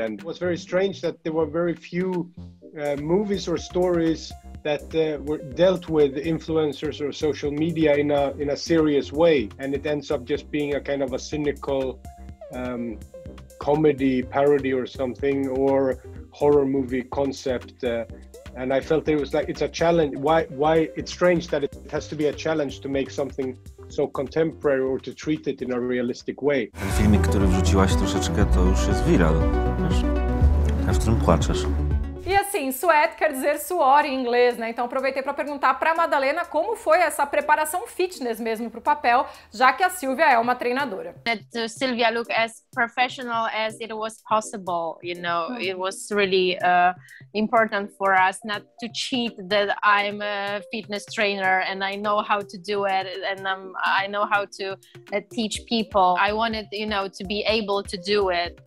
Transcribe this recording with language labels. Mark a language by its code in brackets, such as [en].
[en] And it was very strange that there were very few movies or stories that were dealt with influencers or social media in a serious way, and it ends up just being a kind of a cynical comedy parody or something, or horror movie concept. And I felt it was like, it's a challenge. Why it's strange that it has to be a challenge to make something so contemporary or to treat it in a realistic way. The film that you threw a little bit, it's already viral. You know, [pt] E assim, sweat quer dizer suor em inglês, né? Então aproveitei para perguntar para Madalena como foi essa preparação fitness mesmo pro papel, já que a Silvia é uma treinadora. [en] To Silvia look as professional as it was possible, you know. It was really important for us not to cheat that I'm a fitness trainer and I know how to do it and I know how to teach people. I wanted, you know, to be able to do it.